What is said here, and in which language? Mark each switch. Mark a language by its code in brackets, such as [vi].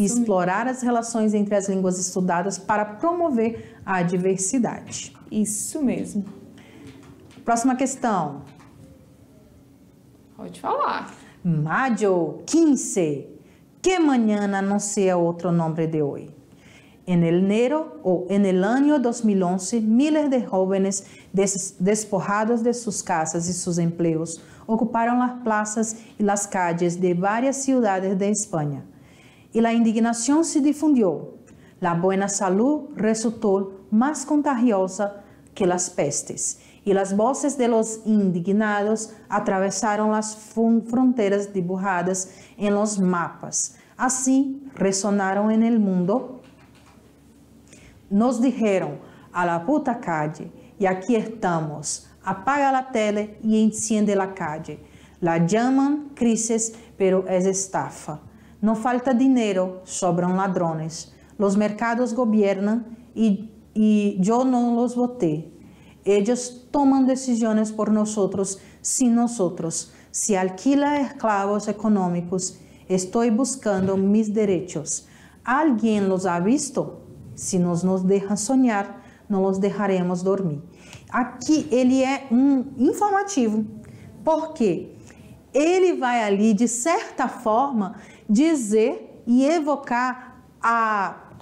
[pt] Explorar as relações entre as línguas estudadas para promover a diversidade. Isso mesmo. Próxima questão. Pode falar. [es] Mayo 15. [pt] Que manhã não seja outro nome de hoje? [es] En el enero o en el año 2011, miles de jóvenes despojados de sus casas y sus empleos ocuparon las plazas y las calles de varias ciudades de España. Y la indignación se difundió. La buena salud resultó más contagiosa que las pestes, y las voces de los indignados atravesaron las fronteras dibujadas en los mapas. Así resonaron en el mundo. Nos dijeron, a la puta calle, y aquí estamos, apaga la tele y enciende la calle. La llaman crisis, pero es estafa. No falta dinero, sobran ladrones. Los mercados gobiernan y yo no los voté. Ellos toman decisiones por nosotros, sin nosotros. Se alquila esclavos económicos. Estoy buscando mis derechos. ¿Alguien los ha visto? [pt] Se nos deixa sonhar, não nos deixaremos dormir. Aqui ele é um informativo, porque ele vai ali, de certa forma, dizer e evocar a